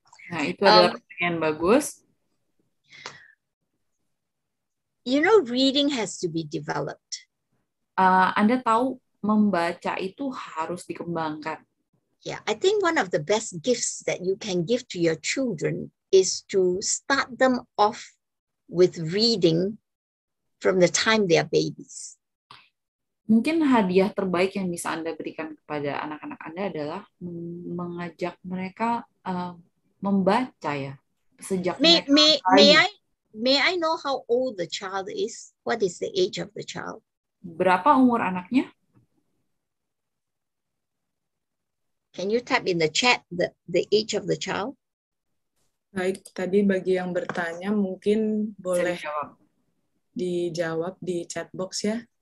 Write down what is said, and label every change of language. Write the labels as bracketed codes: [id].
[id] Nah, itu adalah pertanyaan bagus. [en] You know, reading has to be developed. [id] Anda tahu membaca itu harus dikembangkan. [en] Yeah, I think one of the best gifts that you can give to your children is to start them off with reading from the time they are babies. [id] Mungkin hadiah terbaik yang bisa Anda berikan kepada anak-anak Anda adalah mengajak mereka membaca ya sejak [en] may I know how old the child is? What is the age of the child? [id] Berapa umur anaknya? [en] Can you type in the chat the age of the child? [id] Baik, tadi bagi yang bertanya mungkin boleh dijawab di chat box ya.